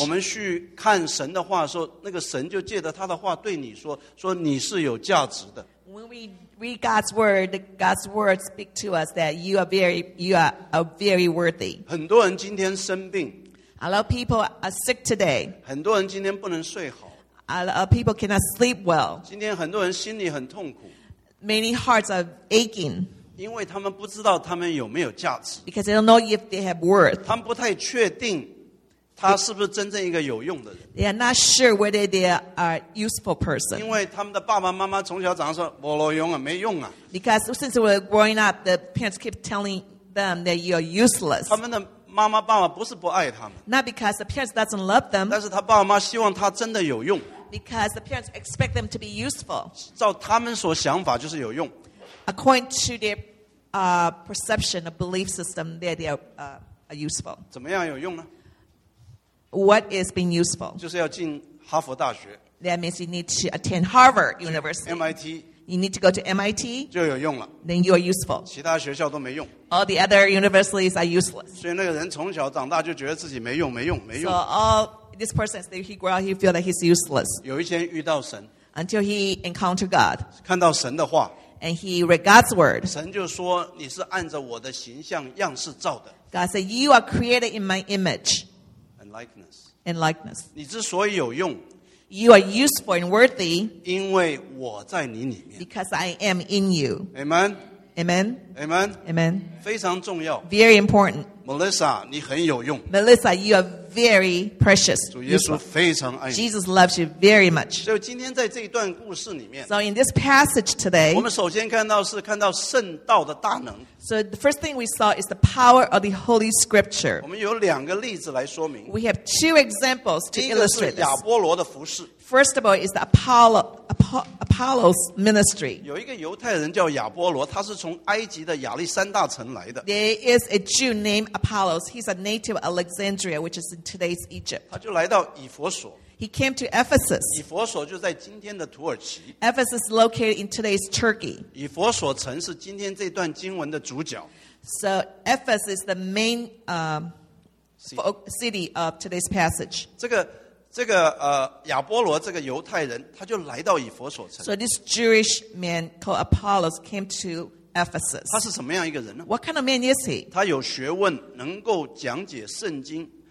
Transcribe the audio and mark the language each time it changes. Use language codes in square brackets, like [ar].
[zh] 我们去看神的话的时候，那个神就借着他的话对你说，说你是有价值的。 [en] When we read God's word speak to us that you are very worthy. [zh] 很多人今天生病。 [en] A lot of people are sick today. [zh] 很多人今天不能睡好。 [en] People cannot sleep well. [zh] 今天很多人心里很痛苦。 [en] Many hearts are aching. [zh] 因为他们不知道他们有没有价值。 [en] Because they don't know if they have worth. [zh] 他们不太确定他是不是真正一个有用的人。 [en] They are not sure whether they are a useful person. [zh] 因为他们的爸爸妈妈从小长说没有用啊，没用啊。 [en] Because since we were growing up, the parents keep telling them that you are useless. [zh] 他们的妈妈爸爸不是不爱他们 [en] Not because the parents doesn't love them [zh] 但是他爸爸妈希望他真的有用 [en] Because the parents expect them to be useful [zh] 照他们所想法就是有用 [en] According to their perception a belief system that they are useful [zh] 怎么样有用呢 [en] What is being useful [zh] 就是要进哈佛大学 [en] That means you need to attend Harvard University MIT You need to go to MIT [zh] 就有用了 [en] Then you are useful [zh] 其他学校都没用 [en] All the other universities are useless. [zh] 所以那个人从小长大就觉得自己没用，没用，没用。 [en] So all this person, he grow up, he feel that he's useless. [zh] 有一天遇到神。 [en] Until he encounter God. [zh] 看到神的话。 [en] And he read God's word. [zh] 神就说你是按着我的形象样式造的。 [en] God said, "You are created in my image." And likeness. And likeness. [zh] 你之所以有用。 [en] You are useful and worthy. [zh] 因为我在你里面。 [en] Because I am in you. Amen. Amen. Amen. Amen. [zh] 非常重要 [en] Very important. [zh] Melissa, 你很有用 [en] Melissa, you are very precious. [zh] 主耶稣非常爱你 [en] Jesus loves you very much. [zh] 所以今天在这一段故事里面 [en] So in this passage today, [zh] 我们首先看到是看到圣道的大能 [en] So the first thing we saw is the power of the Holy Scripture. [zh] 我们有两个例子来说明 [en] We have two examples to illustrate this. [zh] 第一个是亚波罗的服事 [en] First of all, is the Apollo's ministry. [zh] 有一个犹太人叫亚波罗，他是从埃及的亚历山大城来的。 [en] There is a Jew named Apollos. He's a native of Alexandria, which is in today's Egypt. [zh] 他就来到以弗所。 [en] He came to Ephesus. [zh] 以弗所就在今天的土耳其。 [en] Ephesus is located in today's Turkey. [zh] 以弗所城是今天这段经文的主角。 [en] So Ephesus is the main city of today's passage. [zh] 这个亚波罗这个犹太人他就来到以弗所城。 [en] So this Jewish man called Apollos came to Ephesus. [zh] 他是什么样一个人呢？ [en] What kind of man is he? [zh] 他有学问，能够讲解圣经。